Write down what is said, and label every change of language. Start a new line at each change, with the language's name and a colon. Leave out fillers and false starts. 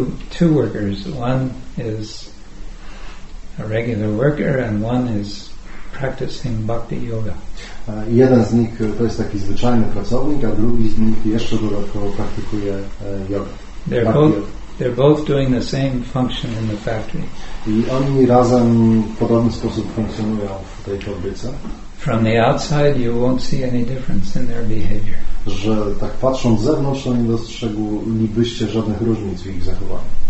English: Two workers. One is a regular worker, and one is practicing bhakti yoga.
Polish: Jeden z nich to jest taki zwyczajny pracownik, a drugi z nich jeszcze dodatkowo praktykuje yoga.
English: They're both doing the same function in the factory.
Polish: I oni razem w podobny sposób funkcjonują w tej fabryce.
English: From the outside, you won't see any difference in their behavior.
Polish: Że tak patrząc z zewnątrz, to nie dostrzeglibyście żadnych różnic w ich zachowaniu.